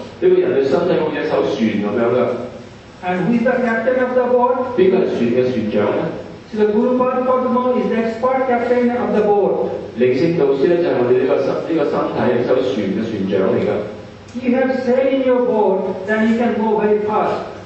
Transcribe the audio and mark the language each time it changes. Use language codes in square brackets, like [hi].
[yue] 呢個人類身體好似一艘船咁樣嘅。 [en] And who is the captain of the boat? [yue] 邊個係船嘅船長咧？ [en] So the Guru Padma is the expert captain of the boat. [yue] 靈性導師咧就係我哋呢個身體一艘船嘅船長嚟㗎。 [en] You have sail in your boat, then you can go very fast.